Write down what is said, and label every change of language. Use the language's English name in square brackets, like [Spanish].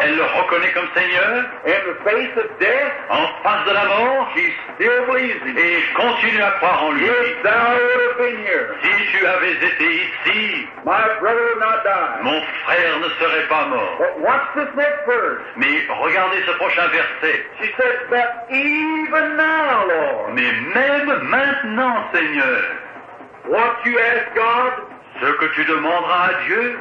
[French] Elle le reconnaît comme Seigneur. [English] In the face of death. [French] En face de la mort. [English] She still believes him. [French] Et continue à croire en lui. [English] If thou would have been here. [French] Si tu avais été ici. [English] My brother would not die. [French] Mon frère ne serait pas mort. [English] But watch this next verse. [French] Mais regardez ce prochain verset. [English] She says, but even now, Lord. [French] Mais même maintenant, Seigneur, [English] what you ask God, [French] ce que tu demanderas à Dieu,